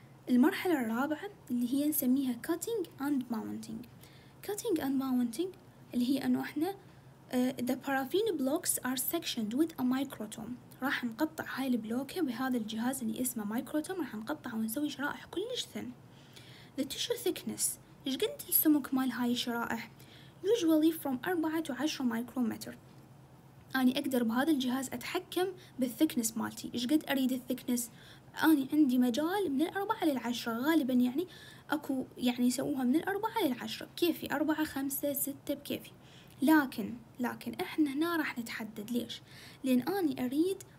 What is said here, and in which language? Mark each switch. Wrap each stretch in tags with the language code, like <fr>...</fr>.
<ar>المرحلة الرابعة اللي هي نسميها</ar> <en>cutting and mounting. cutting and mounting</en> <ar>اللي هي انه احنا</ar> <en>the paraffin blocks are sectioned with a microtome،</en> <ar>راح نقطع هاي البلوكة بهذا الجهاز اللي اسمه microtome، راح نقطع ونسوي شرائح كلش ثن.</ar> <en>the tissue thickness،</en> <ar>إيش قد السمك مال هاي الشرائح؟</ar> <en>usually from 4 to 10 micrometer.</en> <ar>أنا أقدر بهذا الجهاز أتحكم بالثيكنس مالتي، إيش قد أريد الثيكنس؟ أنا عندي مجال من 4 to 10 غالباً، يعني أكو يعني يسووها من 4 to 10 كيفي، 4 5 6 بكيفي. لكن إحنا هنا راح نتحدد ليش؟ لأن أنا أريد</ar>